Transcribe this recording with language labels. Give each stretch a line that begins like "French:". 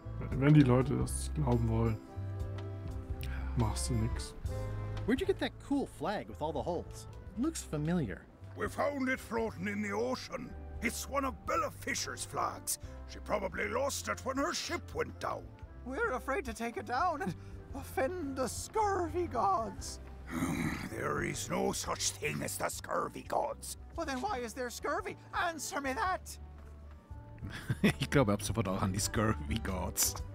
German: Wenn die Leute das glauben wollen, machst du nix.
English: Where'd you get that cool flag with all the holes? Looks familiar. We found it floating in the ocean. It's one of Bella Fisher's flags. She probably lost it when her ship went down. We're afraid to take it down and offend the scurvy gods. There is no such thing as the scurvy gods. Well then why is there scurvy? Answer me that!
German: Ich glaube ab sofort auch an die
English: scurvy gods.